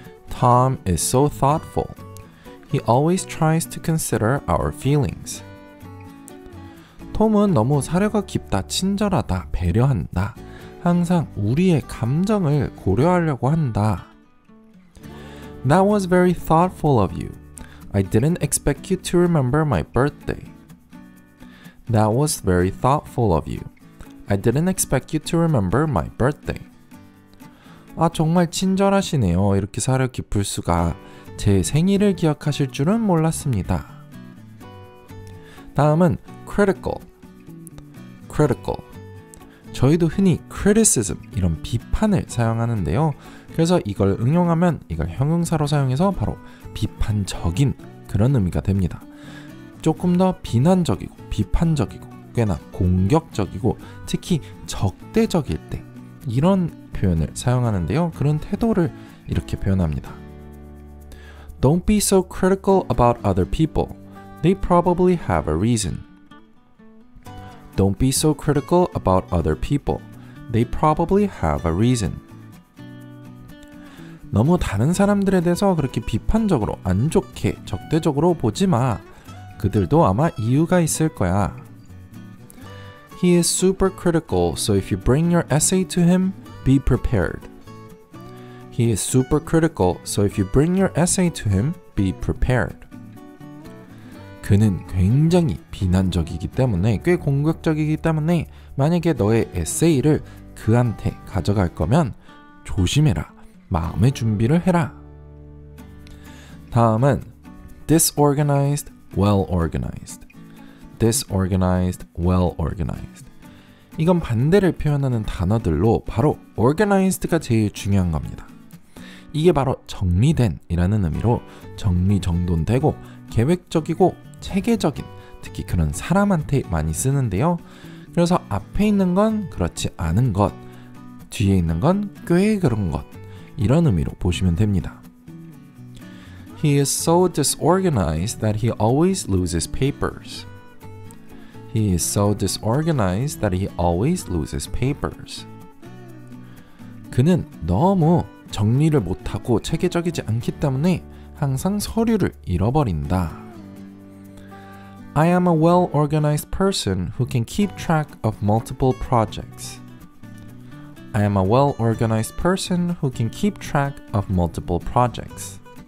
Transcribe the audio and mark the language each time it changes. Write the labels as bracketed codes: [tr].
[en] Tom is so thoughtful. He always tries to consider our feelings. [ko] Tom은 너무 사려가 깊다, 친절하다, 배려한다. 항상 우리의 감정을 고려하려고 한다. [en] That was very thoughtful of you. I didn't expect you to remember my birthday. That was very thoughtful of you. I didn't expect you to remember my birthday. [ko] 아, 정말 친절하시네요. 이렇게 사려 깊을 수가. 제 생일을 기억하실 줄은 몰랐습니다. 다음은 critical. 저희도 흔히 criticism, 이런 비판을 사용하는데요. 그래서 이걸 응용하면 이걸 형용사로 사용해서 바로 비판적인 그런 의미가 됩니다. 조금 더 비난적이고 비판적이고 꽤나 공격적이고 특히 적대적일 때 이런 표현을 사용하는데요. 그런 태도를 이렇게 표현합니다. [en] Don't be so critical about other people. They probably have a reason. Don't be so critical about other people. They probably have a reason. [ko] 너무 다른 사람들에 대해서 그렇게 비판적으로, 안 좋게, 적대적으로 보지 마. 그들도 아마 이유가 있을 거야. [en] He is super critical, so if you bring your essay to him, be prepared. He is super critical, so if you bring your essay to him, be prepared. [ko] 그는 굉장히 비난적이기 때문에, 꽤 공격적이기 때문에 만약에 너의 에세이를 그한테 가져갈 거면 조심해라. 마음의 준비를 해라. 다음은 [en] disorganized, well organized. Disorganized, well organized. [ko] 이건 반대를 표현하는 단어들로 바로 organized가 제일 중요한 겁니다. 이게 바로 정리된이라는 의미로 정리정돈되고 계획적이고 체계적인 특히 그런 사람한테 많이 쓰는데요. 그래서 앞에 있는 건 그렇지 않은 것, 뒤에 있는 건 꽤 그런 것 이런 의미로 보시면 됩니다. [en] He is so disorganized that he always loses papers. He is so disorganized that he always loses papers. [ko] 그는 너무 정리를 못하고 체계적이지 않기 때문에 항상 서류를 잃어버린다. [en] I am a well-organized person who can keep track of multiple projects. I am a well-organized person who can keep track of multiple projects.